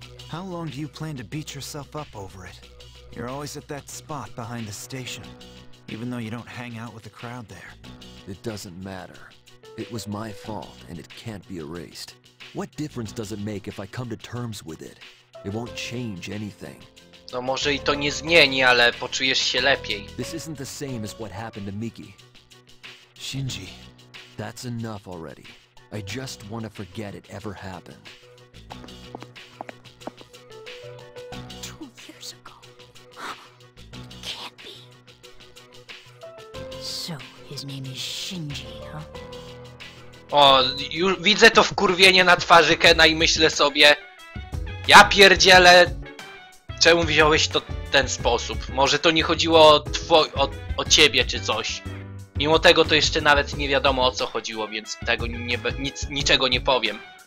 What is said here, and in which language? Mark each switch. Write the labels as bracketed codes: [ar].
[en] How long do you plan to beat yourself up over it? You're always at that spot behind the station, even though you don't hang out with the crowd there. It doesn't matter. It was my fault, and it can't be erased. What difference does it make if I come to terms with it? It won't change anything. [pl] No może i to nie zmieni, ale poczujesz się lepiej. [en] This isn't the same as what happened to Miki. Shinji. That's enough already. I just want to forget it ever happened. 2 years ago. Can't be. So, his name is Shinji, huh? [pl] O, już widzę to wkurwienie na twarzy Kena i myślę sobie... Ja pierdzielę! Czemu wziąłeś to ten sposób? Może to nie chodziło o ciebie czy coś? Mimo tego to jeszcze nawet nie wiadomo o co chodziło, więc tego niczego nie powiem.